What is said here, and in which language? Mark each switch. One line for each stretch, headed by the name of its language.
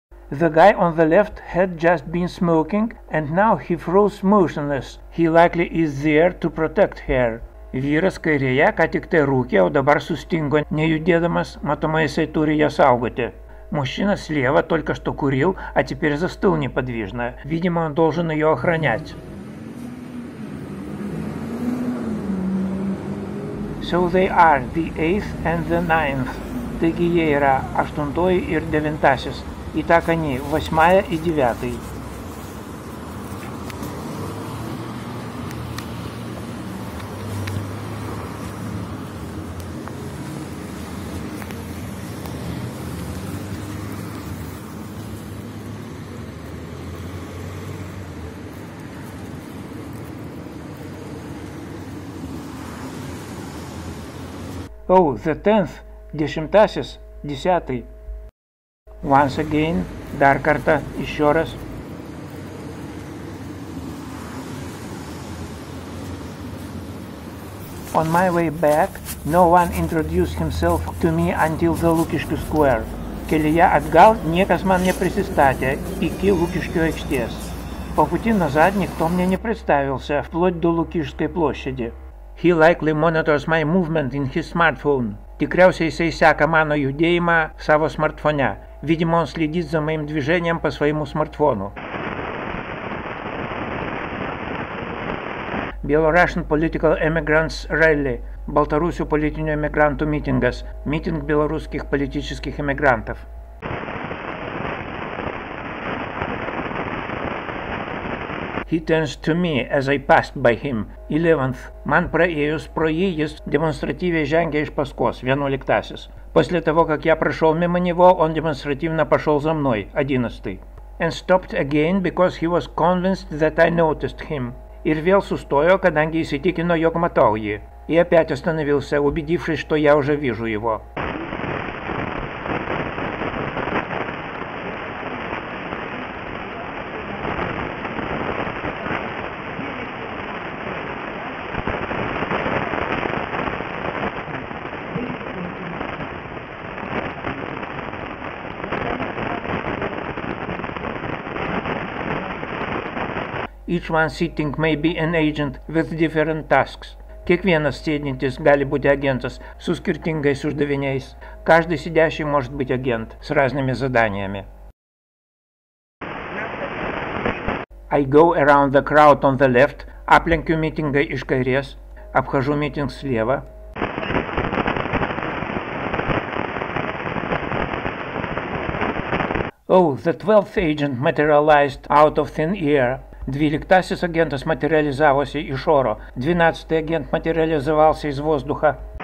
English: The guy on the left had just been smoking and now he froze motionless. He likely is there to protect her.
Lithuanian: Vyras kairėje ką tik tai rūkė, o dabar sustingo nejudėdamas, matomai jisai turi ją saugoti.
Russian: Mušina slėva, только что kuril, а теперь застыл неподвижно. Видимо, он должен ее охранять.
English: So they are the eighth and the ninth.
Lithuanian: Taigi jie yra aštuntoji ir devintasis.
Russian: Итак, они восьмая и девятый.
English: Oh, the tenth,
Lithuanian: dešimtasis,
Russian: десятый.
English: Once again,
Lithuanian: dar kartą,
Russian: еще раз.
English: On my way back, no one introduced himself to me until the Lukiškių Square.
Lithuanian: Kelyje atgal niekas man neprisistatė iki Lukiškių aikštės.
Russian: По пути назад никто мне не представился, вплоть до Лукиškской площади.
English: He likely monitors my movement in his smartphone.
Lithuanian: Tikriausiai jisai seka mano judėjimą savo smartfone.
Russian: Видимо, он следит за моим движением по своему смартфону.
English: Belarusian Political Emigrants Rally,
Lithuanian: Baltarusių politinių emigrantų mitingas,
Russian: митинг белорусских политических эмигрантов.
English: He turns to me as I passed by him. 11th.
Lithuanian: Man praėjus pro jį, jis demonstratyviai žengė iš paskos.
English: 11th.
Russian: После того, как я прошел мимо него, он демонстративно пошел за мной.
English: 11th. And stopped again because he was convinced that I noticed him.
Lithuanian: Ir vėl sustojo, kadangi įsitikino, jog matau jį.
Russian: И опять остановился, убедившись, что я уже вижу его.
English: Each one sitting may be an agent with different tasks.
Lithuanian: Kiekvienas sėdintis gali būti agentas su skirtingais uždaviniais.
Russian: Каждый сидящий может быть агент с разными заданиями.
English: I go around the crowd on the left,
Lithuanian: aplenkiu митингą iš kairės,
Russian: обхожу митинг слева.
English: Oh, the 12th agent materialized out of thin air.
Russian: 12th агент материализовался из ора. 12th агент материализовался из воздуха.